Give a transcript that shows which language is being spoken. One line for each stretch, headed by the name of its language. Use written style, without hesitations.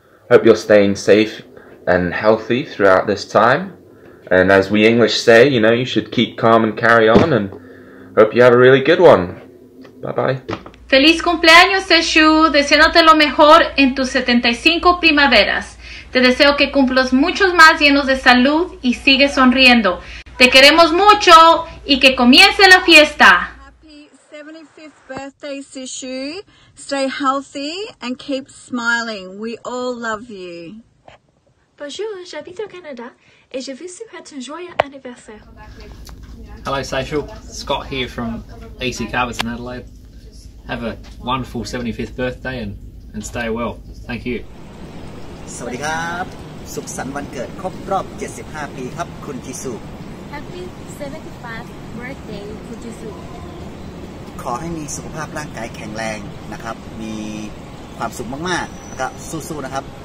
English: Hope you're staying safe and healthy throughout this time. And as we English say, you know, you should keep calm and carry on. And hope you have a really good one. Bye bye.
Spanish: Feliz cumpleaños, Seshu, deseándote lo mejor en tus 75 primaveras. Te deseo que cumplas muchos más llenos de salud y sigue sonriendo. Te queremos mucho y que comience la fiesta.
English: Happy 75th birthday, Seshu. Stay healthy and keep smiling. We all love you.
French: Bonjour, j'habite au Canada et je vous souhaite un joyeux anniversaire.
English: Hello, Seshu. Scott here from AC Cabots in Adelaide. Have a wonderful 75th birthday and stay well. Thank you.
Thai: สวัสดีครับสุขสันต์วันเกิดครบรอบ75ปีครับคุณจิสุ
English: Happy 75th birthday คุณจิสุ
Thai: ขอให้มีสุขภาพร่างกายแข็งแรงนะครับมีความสุขมากๆแล้วก็สู้ๆนะครับ